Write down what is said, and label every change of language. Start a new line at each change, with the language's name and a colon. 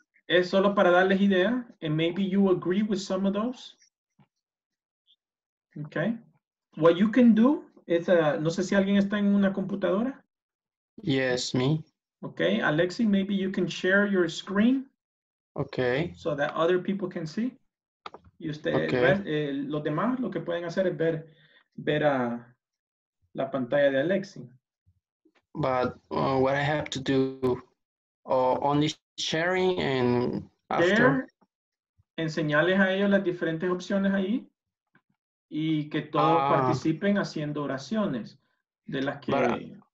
Spanish: Es solo para darles idea,
English: and maybe you agree with some of those.
Spanish: Okay,
English: what you can do is,
Spanish: no sé si alguien está en una computadora.
English: Yes, me. Okay, Alexi, maybe you can share your screen. Okay. So that other people can see.
Spanish: Y usted,
English: okay.
Spanish: Los demás lo que pueden hacer es ver a la pantalla de Alexi.
English: But what I have to do, only sharing and after.
Spanish: Share, enseñarles a ellos las diferentes opciones ahí y que todos participen haciendo oraciones de las que...